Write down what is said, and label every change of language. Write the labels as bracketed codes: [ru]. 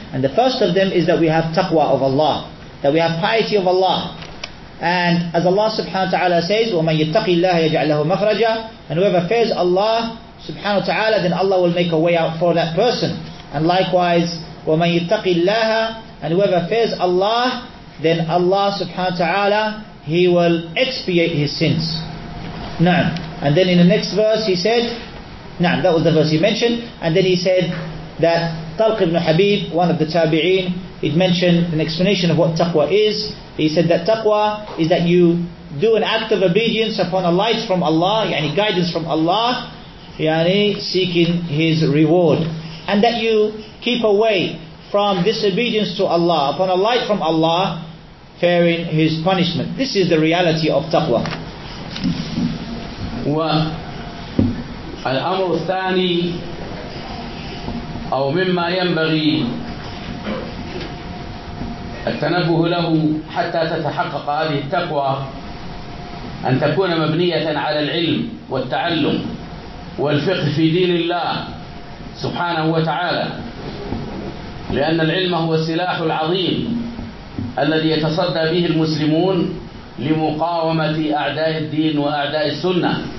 [en] And the first of them is that we have taqwa of Allah, that we have piety of Allah. And as Allah subhanahu wa ta'ala says, [ar] وَمَنْ يَتَّقِ اللَّهَ يَجْعَلْ لَهُ مَخْرَجًا. [en] And whoever fears Allah subhanahu wa ta'ala, then Allah will make a way out for that person. And likewise, [ar] وَمَنْ يَتَّقِ اللَّهَ. [en] And whoever fears Allah, then Allah subhanahu wa ta'ala, he will expiate his sins. [ar] نعم. [en] And then in the next verse he said, نعم, that was the verse he mentioned. And then he said that Talq ibn Habib, one of the tabi'een, he'd mentioned an explanation of what taqwa is. He said that taqwa is that you do an act of obedience upon a light from Allah, yani guidance from Allah, yani seeking His reward. And that you keep away from disobedience to Allah, upon a light from Allah, fearing His punishment. This is the reality of taqwa. [ar] الأمر الثاني أو مما ينبغي التنبه له حتى تتحقق هذه التقوى أن تكون مبنية على العلم والتعلم والفقه في دين الله سبحانه وتعالى، لأن العلم هو السلاح العظيم الذي يتصدى به المسلمون لمقاومة أعداء الدين وأعداء السنة.